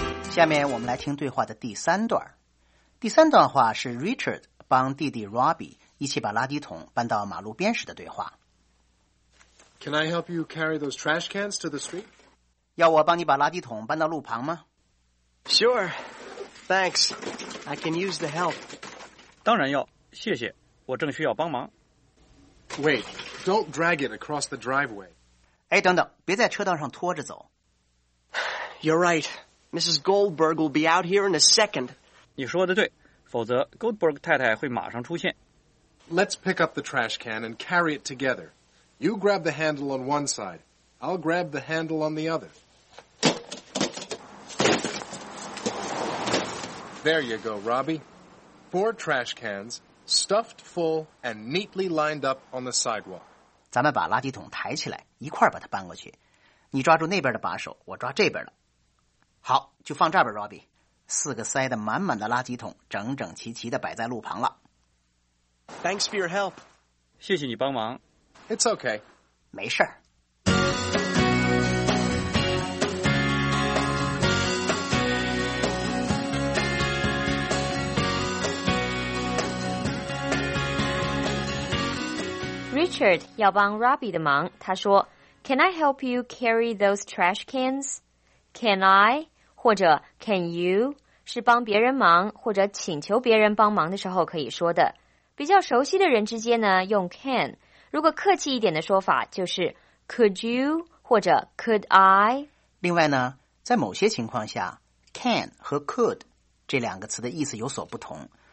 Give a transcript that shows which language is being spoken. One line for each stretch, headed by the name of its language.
Chinese: 下面我们来听对话的第三段。第三段话是 Richard 帮弟弟 Robbie 一起把垃圾桶搬到马路边时的对话。
English: Can I help you carry those trash cans to the street?
Chinese: 要我帮你把垃圾桶搬到路旁吗？
English: Sure. Thanks. I can use the help.
Chinese: 当然要，谢谢，我正需要帮忙。
English: Wait, don't drag it across the driveway.
Chinese: 哎，等等，别在车道上拖着走。
English: You're right. Mrs. Goldberg will be out here in a second. 你说的对，否则 Goldberg 太太会马上出现。 Let's pick up the trash can and carry it together. You grab the handle on one side. I'll grab the handle on the other. There you go, Robbie. 4 trash cans, stuffed full and neatly lined up on the sidewalk.
Chinese: 咱们把垃圾桶抬起来，一块把它搬过去。你抓住那边的把手，我抓这边的。好，就放这边 Robbie， 四个塞得满满的垃圾桶整整齐齐地摆在路旁了。
English: Thanks for your help.
Chinese: 谢谢你帮忙。
English: It's okay.
Chinese: 没事儿。 Richard 要帮 Robbie 的忙，他说
English: Can I help you carry those trash cans? Can I?
Chinese: 或者 can you 是帮别人忙或者请求别人帮忙的时候可以说的。比较熟悉的人之间呢用 can， 如果客气一点的说法就是 could you 或者 could I。另外呢，在某些情况下 can 和 could 这两个词的意思有所不同。